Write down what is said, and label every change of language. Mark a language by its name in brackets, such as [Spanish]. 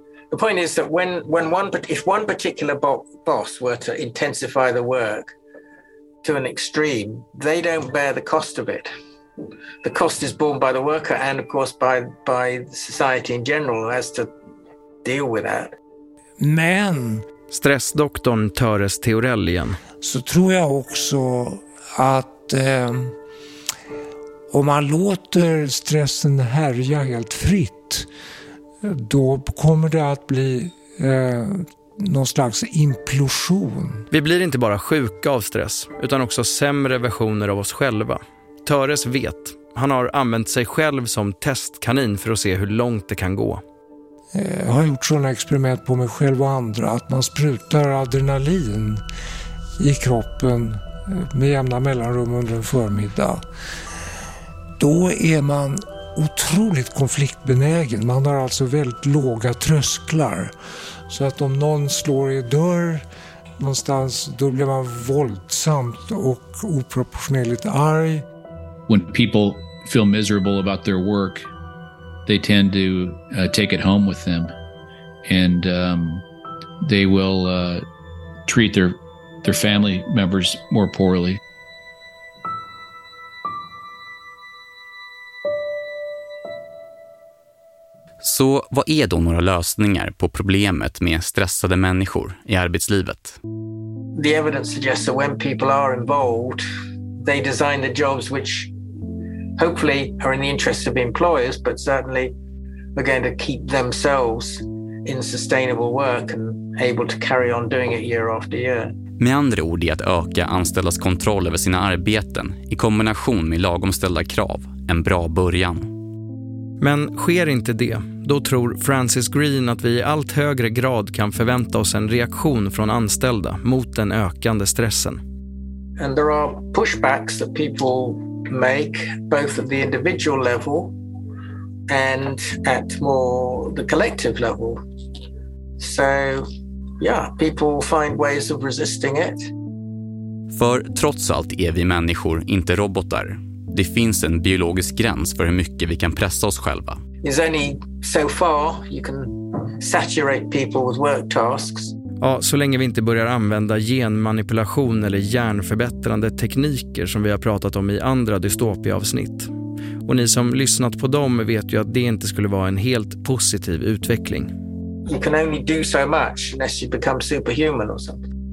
[English] The point is that if one particular boss were to intensify the work to an extreme, they don't bear the cost of it. The cost is borne by the worker and of course by society in general has to deal with that. [Swedish] Men, stressdoktorn Töres Theorell igen, så tror jag också att om man låter stressen härja helt fritt, då kommer det att bli någon slags implosion. Vi blir inte bara sjuka av stress, utan också sämre versioner av oss själva. Töres vet. Han har använt sig själv som testkanin för att se hur långt det kan gå. Jag har gjort sådana experiment på mig själv och andra, att man sprutar adrenalin i kroppen med jämna mellanrum under en förmiddag. Då är man otroligt konfliktbenägen. Man har alltså väldigt låga trösklar. Så att om någon slår i dörr någonstans, då blir man våldsamt och oproportionerligt arg. [English] When people feel miserable about their work, they tend to take it home with them. And they will treat their family members more poorly. [Swedish] Så vad är då några lösningar på problemet med stressade människor i arbetslivet? [English] The evidence suggests that when people are involved, they design the jobs which hopefully are in the interest of employers, but certainly are going to keep themselves in sustainable work and able to carry on doing it year after year. [Swedish] Med andra ord är att öka anställdas kontroll över sina arbeten i kombination med lagomställda krav en bra början. Men sker inte det, då tror Francis Green att vi i allt högre grad kan förvänta oss en reaktion från anställda mot den ökande stressen. [English] And there are pushbacks that people make both at the individual level and at more the collective level. So, yeah, people find ways of resisting it. [Swedish] För trots allt är vi människor, inte robotar. Det finns en biologisk gräns för hur mycket vi kan pressa oss själva. [English] It's only so far you can saturate people with work tasks. [Swedish] Ja, så länge vi inte börjar använda genmanipulation eller hjärnförbättrande tekniker som vi har pratat om i andra dystopiaavsnitt. Och ni som lyssnat på dem vet ju att det inte skulle vara en helt positiv utveckling. [English] You can only do so much unless you become superhuman or something.